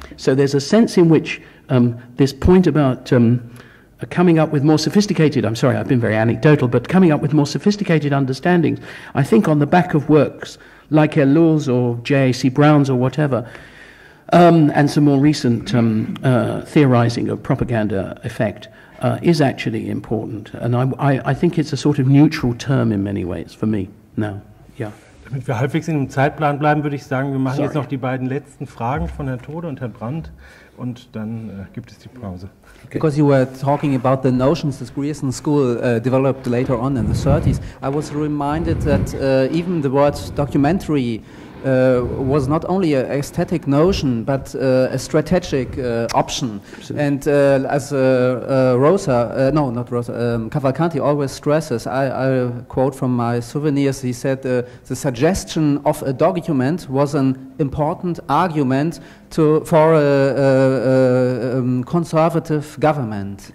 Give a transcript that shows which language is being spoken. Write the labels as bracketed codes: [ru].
[en] So there's a sense in which this point about coming up with more sophisticated, I'm sorry, I've been very anecdotal, but coming up with more sophisticated understandings, I think on the back of works like Elul's or J.A.C. Brown's or whatever, and some more recent theorizing of propaganda effect, is actually important. And I think it's a sort of neutral term in many ways for me now. Yeah. [de] Damit wir halbwegs in dem Zeitplan bleiben, würde ich sagen, wir machen jetzt noch die beiden letzten Fragen von Herrn Tode und Herrn Brandt und dann gibt es die Pause. [en] Okay. Because you were talking about the notions that Grierson School developed later on in the 30s, I was reminded that even the word documentary was not only an aesthetic notion, but a strategic option. Absolutely. And as Cavalcanti always stresses, I quote from my souvenirs, he said, "The suggestion of a document was an important argument for a conservative government."